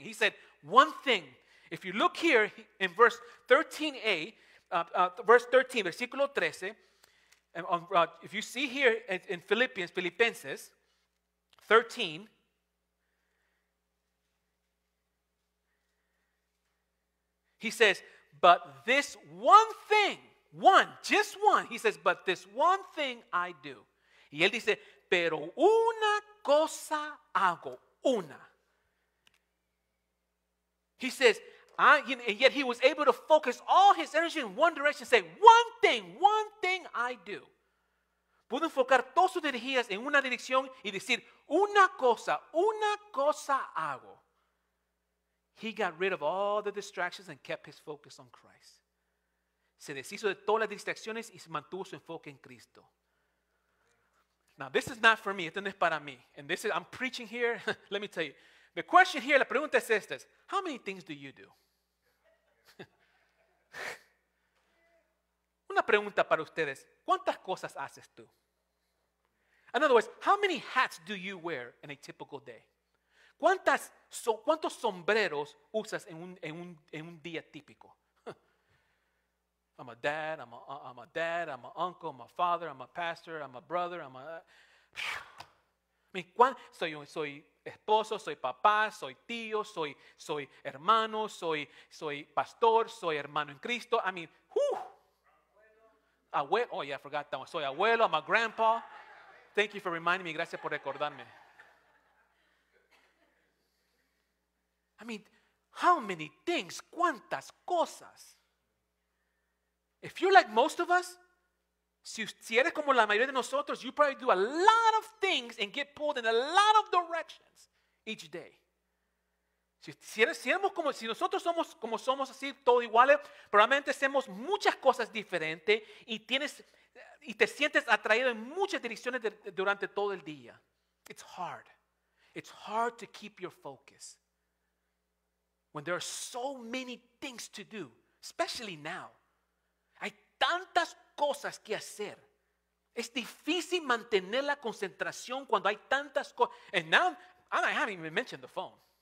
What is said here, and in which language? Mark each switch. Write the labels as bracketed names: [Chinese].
[English] He said, one thing. If you look here in verse 13, versículo 13, if you see here in Philippians 13, he says, but this one thing, one, just one, he says, but this one thing I do. [Spanish] Y él dice, pero una cosa hago, una. [English] He says, and yet he was able to focus all his energy in one direction, say, one thing I do. [Spanish] Pudo enfocar todas sus energías en una dirección y decir, una cosa hago. [English] He got rid of all the distractions and kept his focus on Christ. [Spanish] Se deshizo de todas las distracciones y mantuvo su enfoque en Cristo. [English] Now, this is not for me. [Spanish] Esto no es para mí. [English] And this is, I'm preaching here. Let me tell you. The question here, [Spanish] la pregunta es esta. [English] How many things do you do? [Spanish] Una pregunta para ustedes. ¿Cuántas cosas haces tú? [English] In other words, how many hats do you wear in a typical day? [Spanish] ¿Cuántos sombreros usas en un día típico? [English] I'm a dad, I'm a dad, I'm an uncle, I'm a father, I'm a pastor, I'm a brother, I'm a... I mean, [Spanish] ¿cuán? Soy esposo, soy papá, soy tío, soy hermano, soy pastor, soy hermano en Cristo. [English] I mean, whew. Abuelo. Oh, yeah, I forgot that one. [Spanish] Soy abuelo, [English] I'm a grandpa. Thank you for reminding me. [Spanish] Gracias por recordarme. [English] I mean, how many things? [Spanish] ¿Cuántas cosas? [English] If you're like most of us, [Spanish] si eres como la mayoría de nosotros, [English] you probably do a lot of things and get pulled in a lot of directions each day. [Spanish] Si nosotros somos como somos así, todo igual, probablemente hacemos muchas cosas diferentes y te sientes atraído en muchas direcciones durante todo el día. [English] It's hard. It's hard to keep your focus when there are so many things to do, especially now. [Spanish] Hay tantas cosas que hacer. Es difícil mantener la concentración cuando hay tantas cosas. [English] And now, I haven't even mentioned the phone.